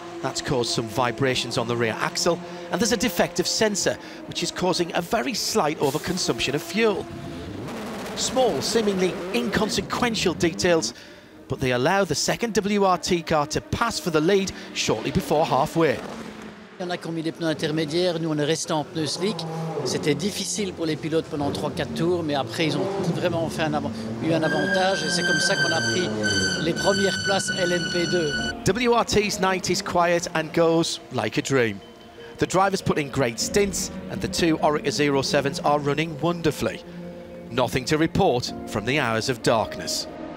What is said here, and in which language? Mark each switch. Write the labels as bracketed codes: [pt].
[en] That's caused some vibrations on the rear axle, and there's a defective sensor, which is causing a very slight overconsumption of fuel. Small, seemingly inconsequential details, but they allow the second WRT car to pass for the lead shortly before halfway. [fr] Il y en a qui ont mis des pneus intermédiaires, nous on est resté en pneus slick. C'était difficile pour les pilotes pendant 3-4 tours, mais après ils ont vraiment fait eu un avantage et c'est comme ça qu'on a pris les premières places LMP2. [en] WRT's night is quiet and goes like a dream. The drivers put in great stints and the two Orica 07s are running wonderfully. Nothing to report from the hours of darkness.